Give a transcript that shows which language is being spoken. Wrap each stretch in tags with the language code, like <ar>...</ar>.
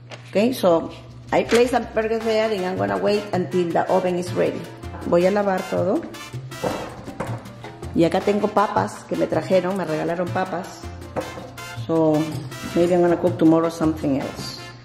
<en>Okay, so I place the burgers there and I'm gonna wait until the oven is ready.</en> <es>Voy a lavar todo. Y acá tengo papas que me trajeron, me regalaron papas.</es> <en>So maybe I'm gonna cook tomorrow something else.</en>